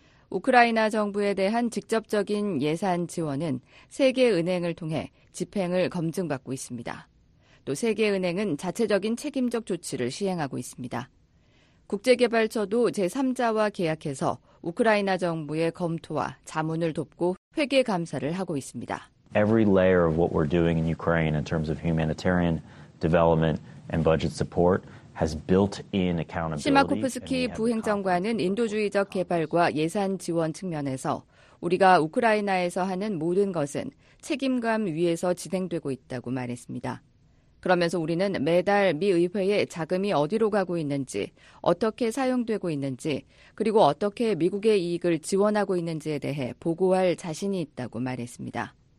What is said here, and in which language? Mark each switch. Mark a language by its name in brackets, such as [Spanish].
[Korean] 우크라이나 정부에 대한 직접적인 예산 지원은 세계은행을 통해 집행을 검증받고 있습니다. 또 세계은행은 자체적인 책임적 조치를 시행하고 있습니다. 국제개발처도 제3자와 계약해서 우크라이나 정부의 검토와 자문을 돕고 회계 감사를 하고 있습니다. [English] Every layer of what we're doing in Ukraine in terms of humanitarian development and budget support has built-in accountability. [Korean] 시마코프스키 부행정관은 인도주의적 개발과 예산 지원 측면에서 우리가 우크라이나에서 하는 모든 것은 책임감 위에서 진행되고 있다고 말했습니다. 그러면서 우리는 매달 미 의회의 자금이 어디로 가고 있는지, 어떻게 사용되고 있는지, 그리고 어떻게 미국의 이익을 지원하고 있는지에 대해 보고할 자신이 있다고 말했습니다.